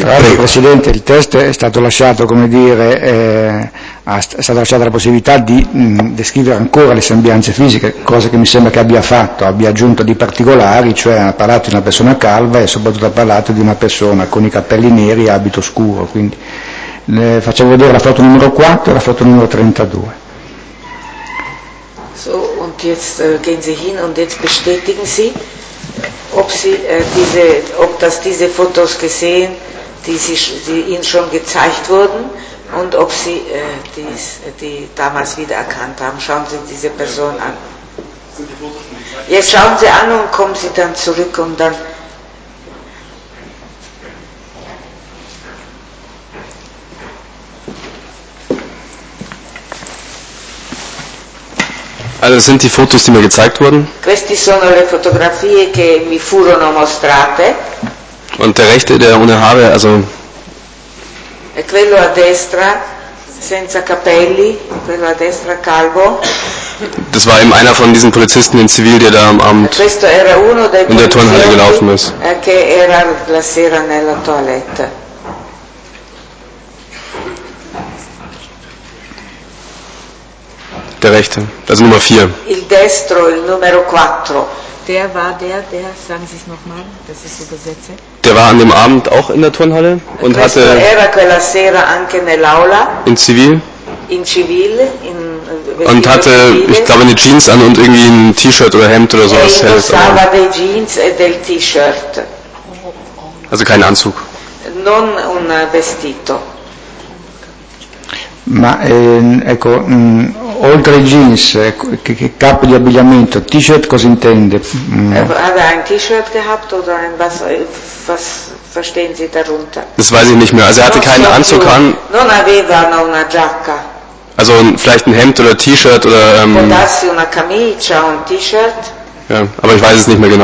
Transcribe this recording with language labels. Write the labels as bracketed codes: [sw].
[it] tra l'altro, Presidente, il test è stato lasciato, come dire, è stata lasciata la possibilità di descrivere ancora le sembianze fisiche, cosa che mi sembra che abbia fatto, abbia aggiunto di particolari, cioè ha parlato di una persona calva e soprattutto ha parlato di una persona con i capelli neri e abito scuro. Quindi facciamo vedere la foto numero 4 e la foto numero 32. [de] So, und jetzt gehen Sie hin und jetzt bestätigen Sie, ob diese Fotos gesehen, die Ihnen schon gezeigt wurden, und ob Sie die damals wiedererkannt haben. Schauen Sie diese Person an. Jetzt schauen Sie an und kommen Sie dann zurück und dann. Also das sind die Fotos, die mir gezeigt wurden. [it] Queste sono le fotografie che mi furono mostrate. [de] Und der rechte, der ohne Haare, also. [it] E quello a destra, senza capelli, quello a destra calvo. [de] Das war eben einer von diesen Polizisten in Zivil, der da am Abend [it] questo era uno dei [de] in der Turnhalle gelaufen ist. [it] Che era la sera nella toilette. [de] Der rechte, also Nummer 4. [it] Il destro, il numero 4. [de] Der war der, sagen Sie es nochmal, das ist übersetze. Der war an dem Abend auch in der Turnhalle und [it] questo [de] hatte [it] era quella sera anche nell'aula. [de] In Zivil. In Zivil, in und hatte, ich glaube, eine Jeans an und irgendwie ein T-Shirt oder Hemd oder sowas. [it] Ich indossava dei jeans e del T-Shirt. [de] Also kein Anzug. [it] Non un vestito. Ma ecco, oltre i jeans, che capo di abbigliamento, T-Shirt cosa intende? Aveva un [de] T-Shirt gehabt oder ein was, was verstehen Sie darunter? Das weiß ich nicht mehr. Also er hatte keinen Anzug an. [it] Non aveva una giacca. [de] Also vielleicht ein Hemd oder T-Shirt oder. [it] Potassi una camicia, un T-Shirt. [de] Ja, aber ich weiß es nicht mehr genau.